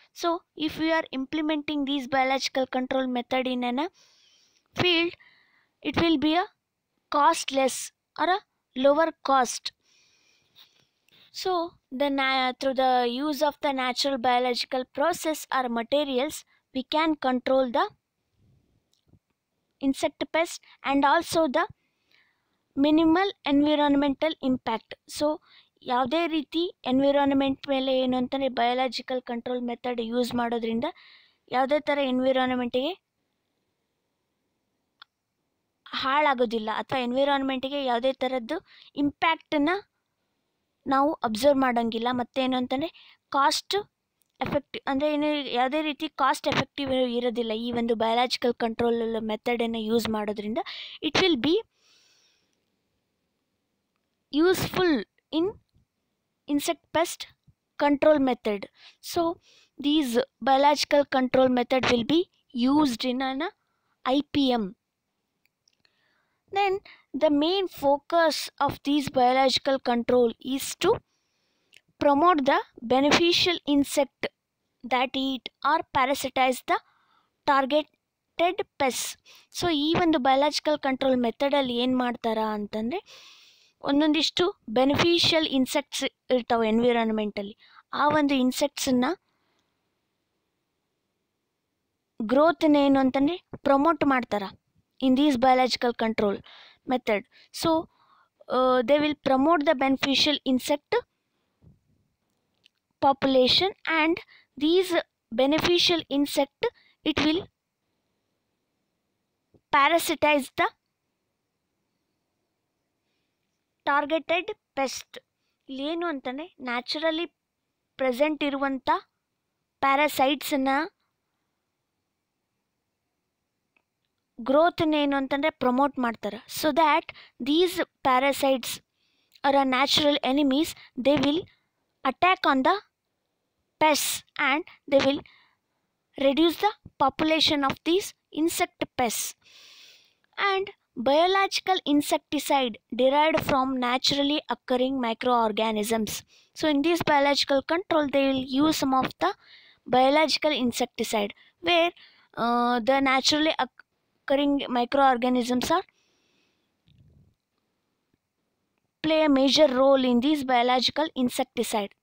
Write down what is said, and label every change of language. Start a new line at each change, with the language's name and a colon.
English: So if we are implementing these biological control method in a field, it will be a costless or a lower cost. So through the use of the natural biological process or materials, we can control the insect pest and also the minimal environmental impact.
Kannada: So ಯಾವುದೇ ರೀತಿ environment ಮೇಲೆ ಏನು ಅಂತಲೇ biological control method use ಮಾಡೋದ್ರಿಂದ ಯಾವುದೇ ಥರ ಎನ್ವಿರಾನ್ಮೆಂಟಿಗೆ ಹಾಳಾಗೋದಿಲ್ಲ ಅಥವಾ ಎನ್ವಿರಾನ್ಮೆಂಟಿಗೆ ಯಾವುದೇ ಥರದ್ದು ಇಂಪ್ಯಾಕ್ಟನ್ನ ನಾವು ಅಬ್ಸರ್ವ್ ಮಾಡೋಂಗಿಲ್ಲ. ಮತ್ತೇನು ಅಂತಂದರೆ ಕಾಸ್ಟ್ ಎಫೆಕ್ಟಿವ್ ಅಂದರೆ ಏನು ಯಾವುದೇ ರೀತಿ ಕಾಸ್ಟ್ ಎಫೆಕ್ಟಿವ್ ಇರೋದಿಲ್ಲ ಈ ಒಂದು ಬಯಾಲಜಿಕಲ್ ಕಂಟ್ರೋಲ್ ಮೆಥಡನ್ನು ಯೂಸ್ ಮಾಡೋದ್ರಿಂದ.
English: It will be useful in insect pest control method. So these biological control method will be used in an IPM. Then the main focus of these biological control is to promote the beneficial insect that eat or parasitize the targeted pests. So even the biological control method
Kannada: alli en martara antandre ಒಂದೊಂದಿಷ್ಟು beneficial insects ಇರ್ತವೆ ಎನ್ವಿರಾನ್ಮೆಂಟಲ್ಲಿ. ಆ ಒಂದು ಇನ್ಸೆಕ್ಟ್ಸನ್ನು ಗ್ರೋತ್ನ ಏನು ಅಂತಂದರೆ promote ಮಾಡ್ತಾರೆ
English: In these biological control method. So they will promote the beneficial insect population and these beneficial insect it will parasitize the targeted pest.
Kannada: ಇಲ್ಲಿ ಏನು ಅಂತಂದರೆ naturally present ಇರುವಂಥ ಪ್ಯಾರಾಸೈಟ್ಸನ್ನು ಗ್ರೋತ್ನ ಏನು ಅಂತಂದರೆ ಪ್ರಮೋಟ್ ಮಾಡ್ತಾರೆ.
English: So that these parasites are a natural enemies they will attack on the pest and they will reduce the population of these insect pests. And biological insecticide derived from naturally occurring microorganisms. So in this biological control they will use some of the biological insecticide where the naturally occurring microorganisms are play a major role in this biological insecticide.